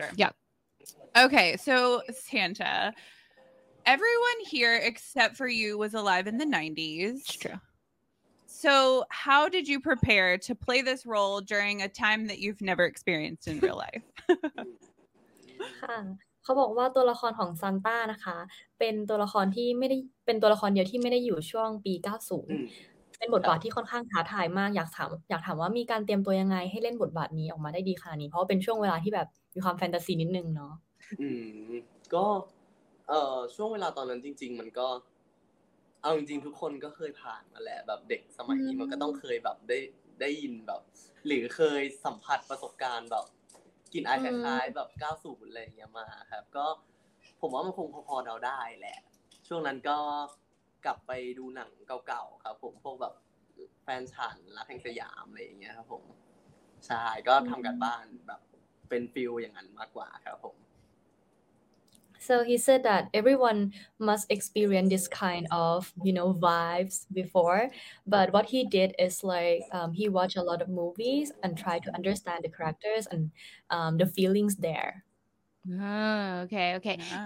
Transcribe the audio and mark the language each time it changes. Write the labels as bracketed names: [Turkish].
[English] Yep. Okay. So, Santa, everyone here except for you was alive in the 90s. It's true. So, how did you prepare to play this role during a time that you've never experienced in real life? [Thai] เขาบอกว่าตัวละครของซานต้านะคะเป็นตัวละครที่ไม่ได้เป็นตัวละครเดียวที่ไม่ได้อยู่ช่วงปี 90. เป็นบทบาทที่ค่อนข้างท้าทายมากอยากถามว่ามีการเตรียมตัวยังไงให้เล่นบทบาทนี้ออกมาได้ดีขนาดนี้เพราะเป็นช่วงเวลาที่แบบมีความแฟนตาซีนิดนึงเนาะ ก็ช่วงเวลาตอนนั้นจริงๆมันก็เอาจริงๆทุกคนก็เคยผ่านมาแหละแบบเด็กสมัยนี้มันก็ต้องเคยแบบได้ยินแบบหรือเคยสัมผัสประสบการณ์แบบกลิ่นอายคล้ายๆแบบ90อะไรเงี้ยมาครับก็ผมว่ามันคงพอเดาได้แหละช่วงนั้นก็ กลับไปดูหนังเก่าๆครับผมพวกแบบแฟนฉันรักแห่งสยามอะไรอย่างเงี้ยครับผมใช่ก็ทำกันบ้านแบบเป็นฟิลอย่างนั้นมากกว่าครับผม [English] So he said that everyone must experience this kind of, you know, vibes before. But what he did is like he watched a lot of movies and tried to understand the characters and the feelings there. Oh, okay, okay. Yeah.